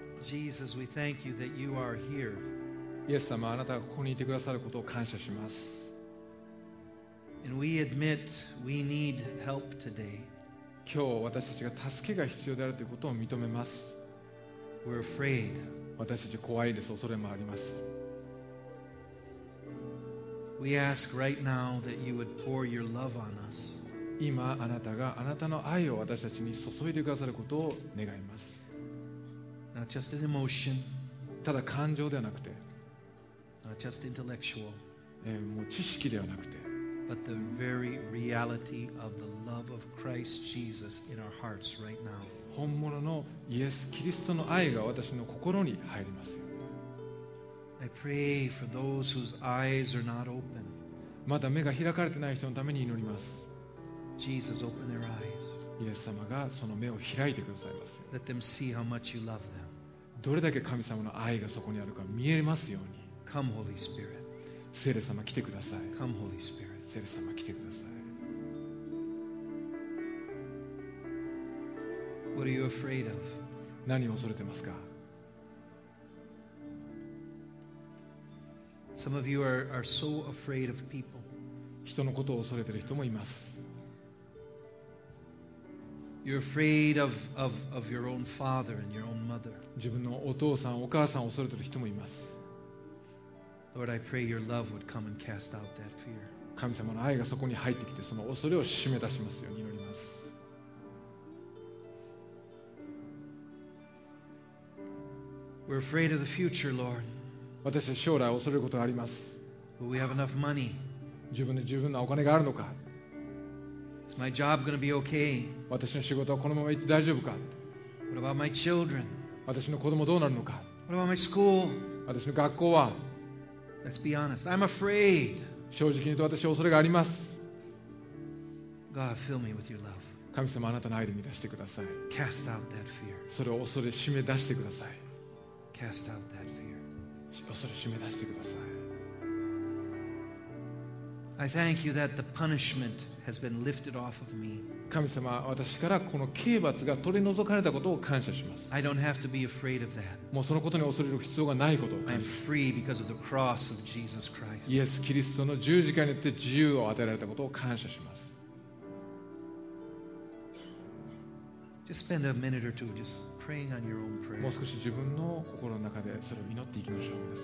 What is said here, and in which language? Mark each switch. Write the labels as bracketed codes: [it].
[en] Jesus, we thank you that you are here. [ja] イエス様、あなたがここにいてくださることを感謝します。 [en] And we admit we need help today. [ja] 今日私たちが助けが必要であるということを認めます。 [en] We're afraid. [ja] 私たち怖いです。恐れもあります。 [en] We ask right now that you would pour your love on us. [ja] 今あなたがあなたの愛を私たちに注いでくださることを願います。 [en] Not just an emotion, [ja] ただ感情ではなくて、 [en] Not just intellectual, [ja] もう知識ではなくて、 [en] But the very reality of the love of Christ Jesus in our hearts right now. [ja] 本物のイエス・キリストの愛が私の心に入ります。 [en] I pray for those whose eyes are not open. [ja] まだ目が開かれてない人のために祈ります。 [en] Jesus, open their eyes. [ja] イエス様がその目を開いてくださいます。 [en] Let them see how much you love them. [ja] どれだけ神様の愛がそこにあるか見えますように。 [en] Come, Holy Spirit. [ja] 聖霊様来てください。 [en] Come, Holy Spirit. [ja] 聖霊様来てください。 [en] What are you afraid of? [ja] 何を恐れてますか。 [en] Some of you are so afraid of people. [ja] 人のことを恐れている人もいます。 [en] You're afraid of your own father and your own mother. [ja] 自分のお父さん、お母さんを恐れている人もいます。 [en] Lord, I pray your love would come and cast out that fear. [ja] 神様の愛がそこに入ってきて、その恐れを締め出しますように祈ります。 [en] We're afraid of the future, Lord. [ja] 私たち将来を恐れることがあります。 [en] But we have enough money. [ja] 自分に十分なお金があるのか。 [en] Is my job going to be okay? [ja] 私の仕事はこのまま行って大丈夫か。 [en] What about my children? [ja] 私の子供どうなるのか。 [en] What about my school? [ja] 私の学校は。 [en] Let's be honest. I'm afraid. [ja] 正直に言うと私は恐れがあります。 [en] God, fill me with your love. [ja] 神様あなたの愛で満たしてください。 [en] Cast out that fear. [ja] それを恐れ締め出してください。 [en] Cast out that fear. [ja] 恐れ締め出してください。 [en] I thank you that the punishment has been lifted off of me. [ja] 神様、私からこの刑罰が取り除かれたことを感謝します。 [en] I don't have to be afraid of that. [ja] もうそのことに恐れる必要がないことを感謝します [en] 。I'm free because of the cross of Jesus Christ. [ja] イエス・キリストの十字架によって自由を与えられたことを感謝します。 [en] Just spend a minute or two just praying on your own prayer. [ja] もう少し自分の心の中でそれを祈っていきましょう。